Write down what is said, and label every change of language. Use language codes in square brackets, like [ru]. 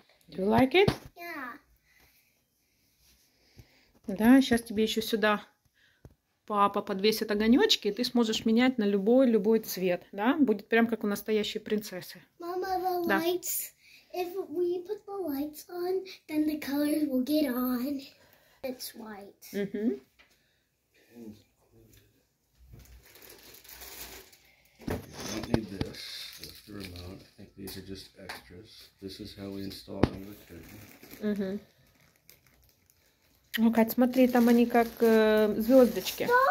[en] Do you like it? Yeah. [ru] Да, сейчас тебе еще сюда папа подвесит огонечки, и ты сможешь менять на любой цвет, да? Будет прям как у настоящей принцессы. [en] Мама, the lights. If we put the lights on, then the colors will get on. It's white. Mm-hmm. I need this. That's the remote. I think these are just extras. This is how we install them with the curtain. Mm-hmm. [ru] Ну, Кать, смотри, там они как звездочки.